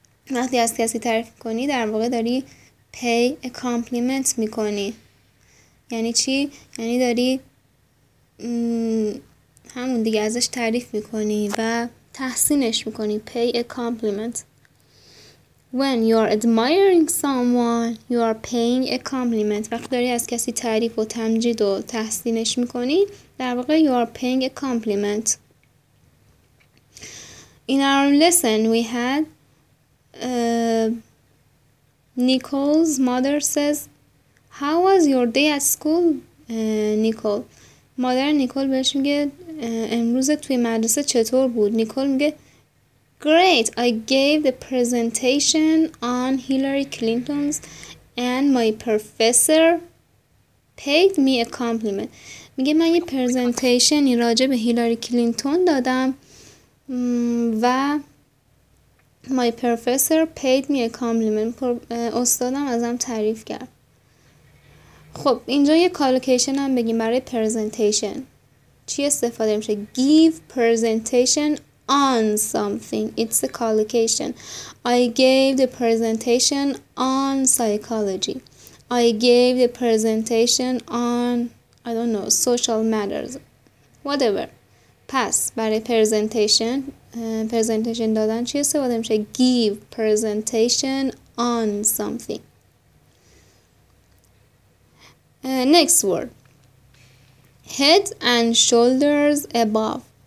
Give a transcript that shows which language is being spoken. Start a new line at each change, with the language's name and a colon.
Persian: وقتی از کسی تعریف کنی در واقع داری
English: pay a compliment
Persian: میکنی. یعنی چی؟ یعنی داری همون دیگه ازش تعریف میکنی و تحسینش میکنی.
English: Pay a compliment. When you are admiring someone, you are paying a compliment.
Persian: وقتی داری از کسی تعریف و تمجید و تحسینش میکنی در واقع
English: you are paying a compliment. In our lesson we had Nicole's mother says, how was your day at school, Nicole?
Persian: مادر نیکول بهش میگه امروزت توی مدرسه چطور بود؟ نیکول میگه
English: great, I gave the presentation on Hillary Clinton's and my professor paid me a compliment.
Persian: میگه من یه پرزنتیشنی راجع به هیلاری کلینتون دادم و
English: My professor paid me a compliment.
Persian: استادم ازم تعریف کرد. خب اینجا یه کالوکیشن هم بگیم برای پرزنتیشن. چی استفاده میشه؟
English: Give presentation on something. It's a collocation. I gave the presentation on psychology. I gave the presentation on, I don't know, social matters. Whatever.
Persian: پس برای پرزنتیشن، پرزنتیشن دادن چی استفاده میشه؟
English: give presentation on something. Next word, head and shoulders above.